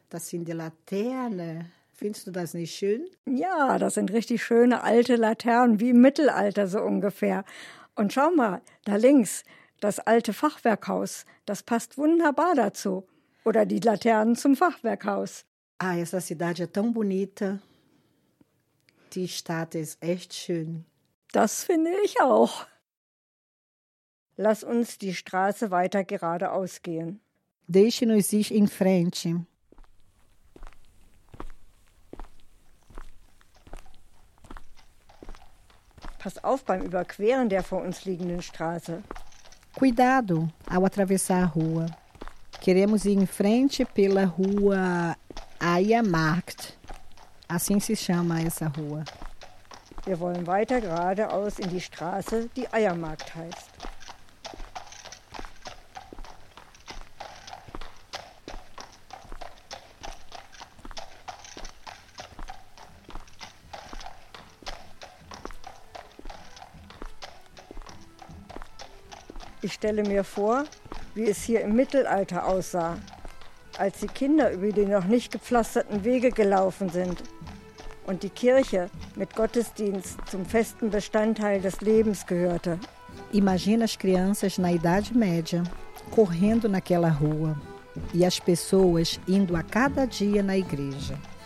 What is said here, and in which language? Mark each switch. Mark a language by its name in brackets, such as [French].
[German] Das sind die Laternen. Findest du das nicht schön? Ja, das sind richtig schöne alte Laternen, wie im Mittelalter so ungefähr. Und schau mal, da links, das alte Fachwerkhaus. Das passt wunderbar dazu. Oder die Laternen zum Fachwerkhaus. [Portuguese] Ah, essa cidade é tão bonita. [German] Die Stadt ist echt schön. Das finde ich auch. Lass uns die Straße weiter geradeaus gehen. [Portuguese] Deixe-nos ir em frente. [German] Pass auf beim Überqueren der vor uns liegenden Straße. [Portuguese] Cuidado ao atravessar a rua. Queremos ir em frente pela rua Aya Markt. Assim se chama essa rua. [German] Wir wollen weiter geradeaus in die Straße, die Eiermarkt heißt. Ich stelle mir vor, wie es hier im Mittelalter aussah, als die Kinder über die noch nicht gepflasterten Wege gelaufen sind und die Kirche mit Gottesdienst zum festen Bestandteil des Lebens gehörte. [Portuguese] Imagina as crianças na Idade Média correndo naquela rua e as pessoas indo a cada dia na igreja.